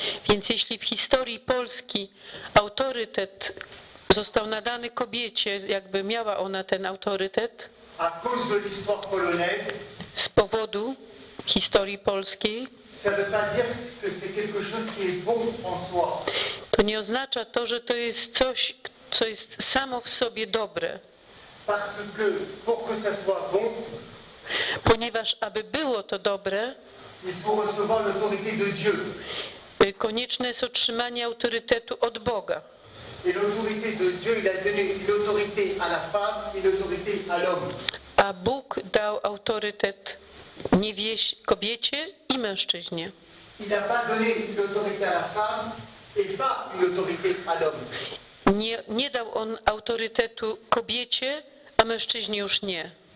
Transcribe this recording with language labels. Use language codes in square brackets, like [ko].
[pl] Więc jeśli w historii Polski autorytet został nadany kobiecie, jakby miała ona ten autorytet, [fr] à cause de l'histoire polonaise, [pl] z powodu historii polskiej, [fr] ça veut pas dire que c'est quelque chose qui est bon en soi. [pl] To nie oznacza to, że to jest coś, co jest samo w sobie dobre. [fr] Parce que pour que ça soit bon, [pl] ponieważ aby było to dobre, [fr] il faut recevoir l'autorité de Dieu. [pl] Konieczne jest otrzymanie autorytetu od Boga. [fr] Et l'autorité de Dieu, il a donné l'autorité à la femme et l'autorité à l'homme. [pl] A Bóg dał autorytet kobiecie i mężczyźnie. [fr] Il n'a pas donné l'autorité à la femme et pas l'autorité à l'homme. [pl] Nie dał on autorytetu kobiecie, a mężczyźnie już nie.